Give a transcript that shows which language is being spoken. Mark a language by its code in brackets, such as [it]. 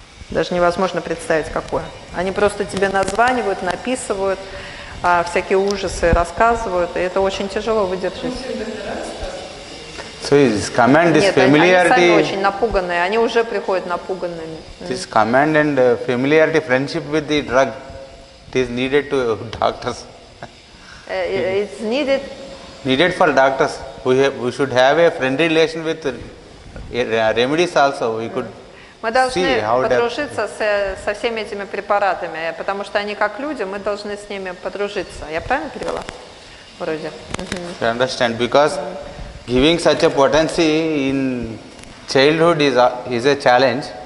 [ru] Даже невозможно представить, какое. Они просто тебе названивают, написывают, всякие ужасы рассказывают, и это очень тяжело выдержать. [en] So his command is familiarity. [ru] Нет, они сами очень напуганные. Они уже приходят напуганными. [en] This command and familiarity, friendship with the drug, it is needed to doctors. It's needed. Needed for doctors. We should have a friendly relation with remedies also. We could [ru] Мы должны подружиться со всеми этими препаратами, потому что они как люди, мы должны с ними подружиться. Я правильно перевела? Вроде. [en] I understand because. Giving such a potency in childhood is a challenge.